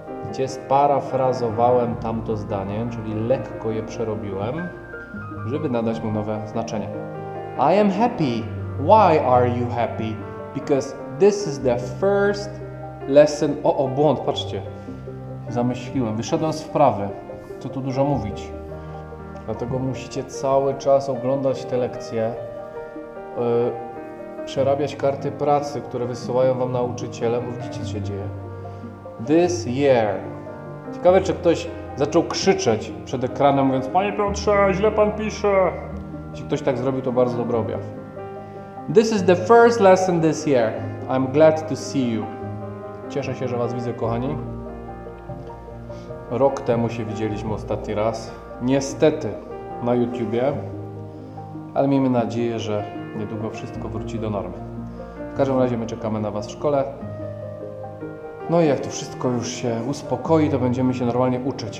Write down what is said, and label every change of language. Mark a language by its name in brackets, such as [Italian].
[Polish] Gdzie sparafrazowałem tamto zdanie, czyli lekko je przerobiłem, żeby nadać mu nowe znaczenie. [English] I am happy. Why are you happy? Because this is the first lesson. [Polish] O, błąd, patrzcie. Zamyśliłem, wyszedłem z wprawy. Co tu dużo mówić? Dlatego musicie cały czas oglądać te lekcje, przerabiać karty pracy, które wysyłają wam nauczyciele, bo widzicie, co się dzieje. [English] This year. [Polish] Ciekawe, czy ktoś zaczął krzyczeć przed ekranem, mówiąc: Panie Piotrze, źle pan pisze. Jeśli ktoś tak zrobił, to bardzo dobry objaw. [English] This is the first lesson this year. I'm glad to see you. [Polish] Cieszę się, że Was widzę, kochani. Rok temu się widzieliśmy ostatni raz. Niestety na YouTubie. Ale miejmy nadzieję, że niedługo wszystko wróci do normy. W każdym razie my czekamy na Was w szkole. No i jak to wszystko już się uspokoi, to będziemy się normalnie uczyć.